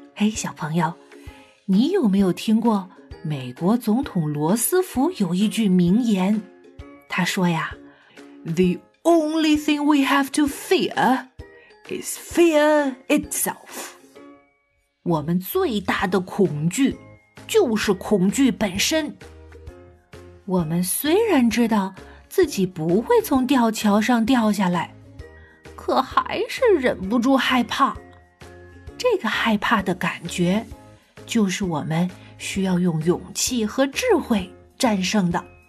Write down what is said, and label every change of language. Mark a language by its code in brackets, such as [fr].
[zh] 小朋友，你有没有听过美国总统罗斯福有一句名言？他说呀 [en] The only thing we have to fear is fear itself. [zh] 我们最大的恐惧就是恐惧本身。我们虽然知道自己不会从吊桥上掉下来，可还是忍不住害怕。这个害怕的感觉，就是我们需要用勇气和智慧战胜的。